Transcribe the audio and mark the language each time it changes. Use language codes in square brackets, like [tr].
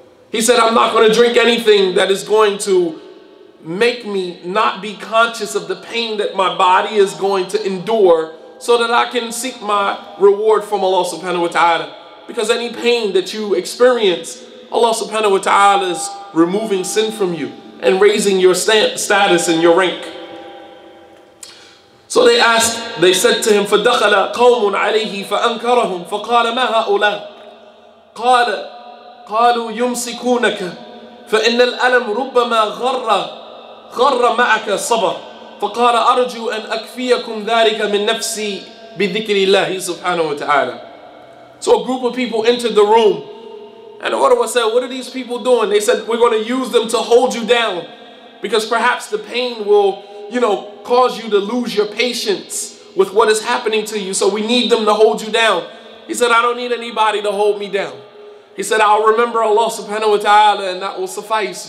[en] He said, I'm not going to drink anything that is going to make me not be conscious of the pain that my body is going to endure so that I can seek my reward from Allah subhanahu wa ta'ala. Because any pain that you experience, Allah subhanahu wa ta'ala is removing sin from you and raising your status and your rank. So they asked, they said to him, [ar] فَدَخَلَ قَوْمٌ عَلَيْهِ فَأَنْكَرَهُمْ فَقَالَ مَا هَؤُلَاءَ قَالَ قَالُوا يُمْسِكُونَكَ فَإِنَّ الْأَلَمْ رُبَّمَا غَرَّ مَعَكَ صَبَرْ فَقَالَ أَرْجُوا أَنْ أَكْفِيَكُمْ ذَلِكَ مِنْ نَفْسِي بِذِكْرِ اللَّهِ سُبْحَانَهُ وَتَعَالَى. [en] So a group of people entered the room. And Urwa said, what are these people doing? They said, we're going to use them to hold you down because perhaps the pain will, you know, cause you to lose your patience with what is happening to you. So we need them to hold you down. He said, I don't need anybody to hold me down. He said, I'll remember Allah subhanahu wa ta'ala and that will suffice.